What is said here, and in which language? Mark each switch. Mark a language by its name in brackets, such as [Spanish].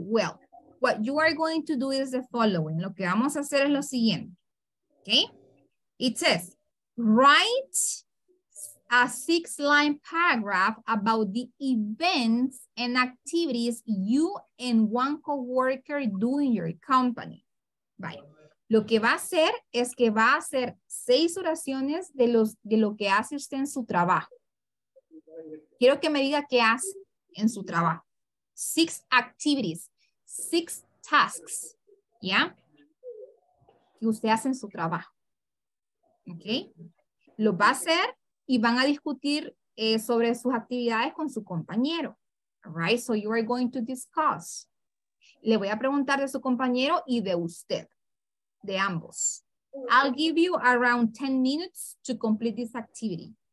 [English] Well, what you are going to do is the following. [Spanish] Lo que vamos a hacer es lo siguiente, [English] okay? It says, write a 6-line paragraph about the events and activities you and one coworker do in your company. Right. [Spanish] Lo que va a hacer es que va a hacer 6 oraciones de lo que hace usted en su trabajo. Quiero que me diga qué hace en su trabajo. [English] 6 activities, 6 tasks, [Spanish] ¿ya? Que usted hace en su trabajo. ¿Ok? Lo va a hacer y van a discutir sobre sus actividades con su compañero. [English] All right, so you are going to discuss. [Spanish] Le voy a preguntar de su compañero y de usted. De ambos. [English] I'll give you around 10 minutes to complete this activity.